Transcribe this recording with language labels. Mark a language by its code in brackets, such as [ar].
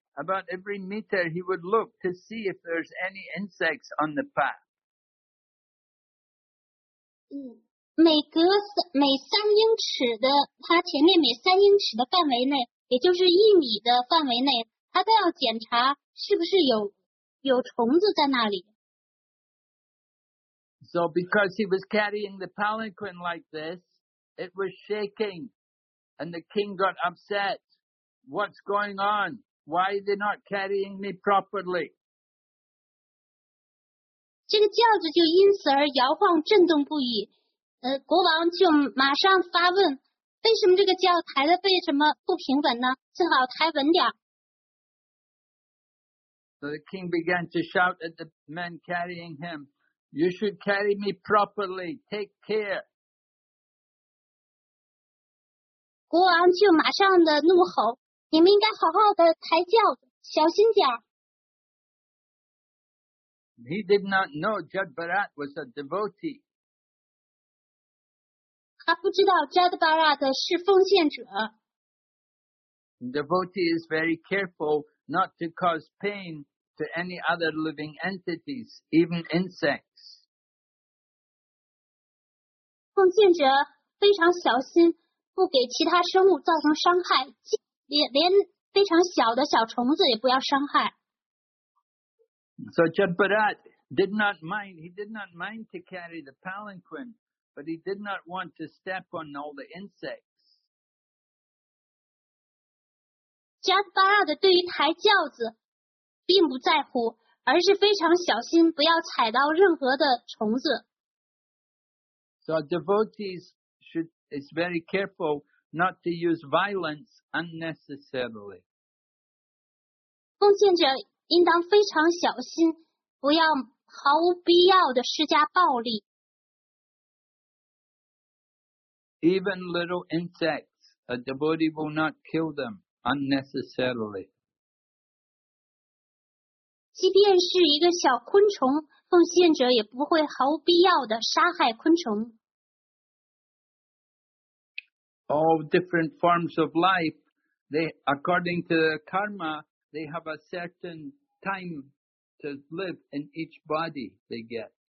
[en] About every meter, he would look to see if there's any insects on the path. [zh] 每三英尺的，他前面每三英尺的范围内，也就是1米的范围内。 他都要检查是不是有有虫子在那里。 [en] So because he was carrying the palanquin like this, it was shaking, and the king got upset. What's going on? Why are they not carrying me properly? [zh] 这个轿子就因此而摇晃震动不已。国王就马上发问，为什么这个轿抬的为什么不平稳呢？正好抬稳点。 [en] So the king began to shout at the men carrying him, you should carry me properly, take care. [zh] 国王就马上的怒吼，你们应该好好的抬轿子，小心点。 [en] He did not know Judd Barat was a devotee. [zh] 他不知道 Judd Barat 是奉献者。 [en] Devotee is very careful not to cause pain to any other living entities, even insects. [zh] 奉献者非常小心，不给其他生物造成伤害，连非常小的小虫子也不要伤害。 [en] So Judd Barat did not mind, he did not mind to carry the palanquin, but he did not want to step on all the insects. [zh] Judd Barat 对于抬轿子并不在乎，而是非常小心不要踩到任何的虫子。 [en] So devotees should, is very careful not to use violence unnecessarily. [zh] 奉献者应当非常小心，不要毫无必要的施加暴力。 [en] Even little insects, a devotee will not kill them unnecessarily. [zh] 即便是一个小昆虫，奉献者也不会毫无必要的杀害昆虫。 [en] All different forms of life, they, according to the karma, they have a certain time to live in each body they get.